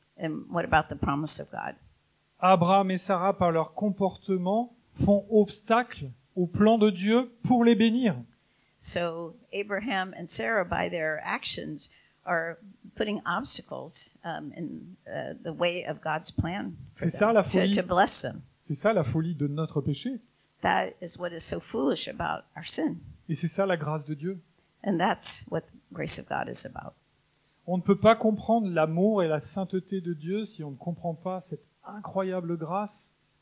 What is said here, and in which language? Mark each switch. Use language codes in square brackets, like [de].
[en] And what about the promise of God? [fr] Abraham et Sarah, par leur comportement, font obstacle au plan de Dieu pour les bénir. [en] So Abraham and Sarah, by their actions, are putting obstacles in the way of God's plan for [fr] c'est ça, la folie. [en] To bless them. [fr] C'est ça la folie de notre péché. [en] That is what is so foolish about our sin. [fr] Et c'est ça la grâce de Dieu. [en] And that's what the grace of God is about. [fr] On ne peut pas comprendre l'amour et la sainteté de Dieu si on ne comprend pas cette incroyable grâce.